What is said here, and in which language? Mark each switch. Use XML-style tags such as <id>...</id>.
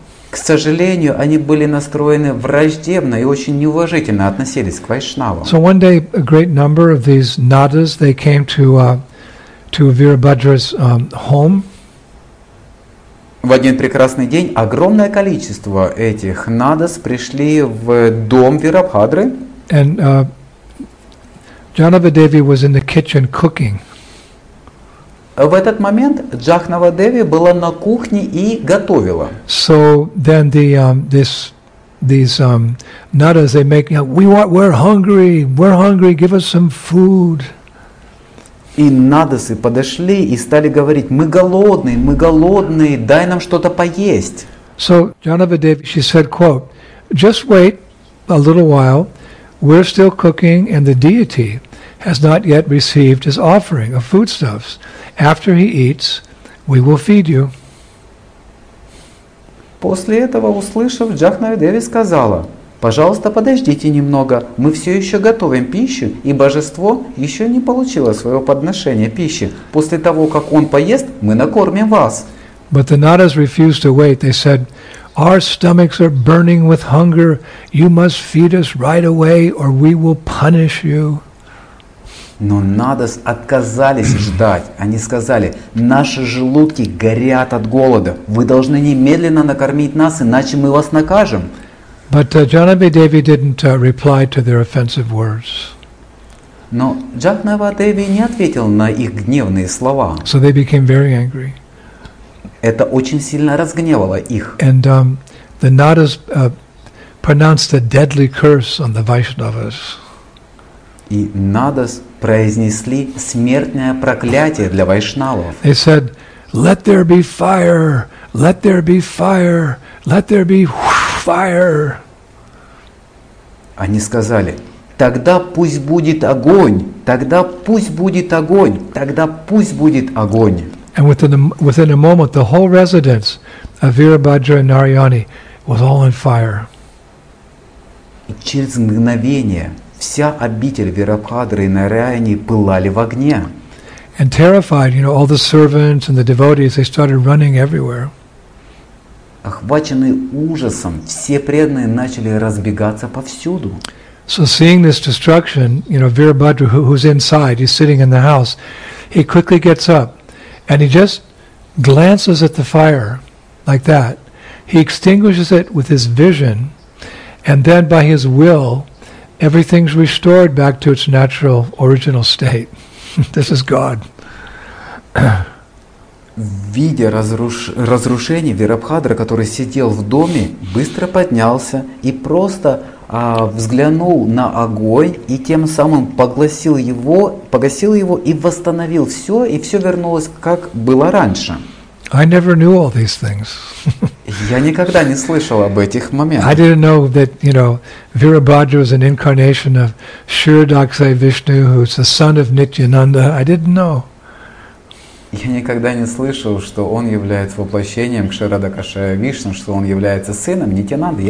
<ru>К сожалению, они были настроены враждебно и очень неуважительно относились к вайшнавам.</ru> <en>So one day, a great number of these Nadas, they came to Virabhadra's home.</en> <ru>В один прекрасный день огромное количество этих Nadas пришли в дом Вирабхадры.</ru> <en>And Janavadevi was in the kitchen cooking.</en> <ru>В этот момент Джахнава Деви была на кухне и готовила.</ru> <en>So then these Nadas, they make, you know, we're hungry, give us some food.</en> <ru>И Надасы подошли и стали говорить: мы голодные, дай нам что-то поесть.</ru> <en>So Janava Devi, she said, quote, just wait a little while. We're still cooking and the deity has not yet received his offering of foodstuffs. After he eats, we will feed you.</en> <ru>После этого, услышав, Джахнави Деви сказала, пожалуйста, подождите немного, мы все еще готовим пищу, и божество еще не получило своего подношения пищи. После того, как он поест, мы накормим вас.</ru> <en>But the Nadas refused to wait. They said, our stomachs are burning with hunger. You must feed us right away, or we will punish you.</en> <ru>Но Надас отказались ждать. Они сказали, наши желудки горят от голода. Вы должны немедленно накормить нас, иначе мы вас накажем.</ru> <en>But Janava Devi didn't reply to their offensive words.</en> <ru>Но Джанава Деви не ответил на их гневные слова.</ru> <en>So they became very angry.</en> <ru>Это очень сильно разгневало их.</ru> <en>And the Nadas pronounced a deadly curse on the Vaishnavas.</en> <ru>И Надас произнесли смертное проклятие для вайшнавов.</ru> <en>They said, let there be fire, let there be fire, let there be fire.</en> <ru>Они сказали, тогда пусть будет огонь, тогда пусть будет огонь, тогда пусть будет огонь.</ru> <en>And within a moment, the whole residence of Virabhadra and Narayani was all on fire.</en> <ru>И через мгновение вся обитель Вирабхадры и Нараяни пылали в огне.</ru> <en>And terrified, you know, all the servants and the devotees, they started running everywhere.</en> <ru>Охваченные ужасом, все преданные начали разбегаться повсюду.</ru> <en>So seeing this destruction, you know, Virabhadra, who's inside, he's sitting in the house, he quickly gets up and he just glances at the fire like that. He extinguishes it with his vision and then by his will, everything's restored back to its natural, original state. This is God.</en> <ru>Видя разрушение, Вирабхадра, который сидел в доме, быстро поднялся и просто взглянул на огонь и тем самым погасил его и восстановил все, и все вернулось, как было раньше.</ru> <en>I never knew all these things.</en> <ru>Я никогда не слышал об этих моментах.</ru> <en>I didn't know that, you know, Virabhadra was an incarnation of Shirdakshay Vishnu, who's the son of Nityananda. I didn't know.</en> <ru>Я никогда не слышал, что он является воплощением Кширадакшая Вишну, что он является сыном Нитянанды.</ru>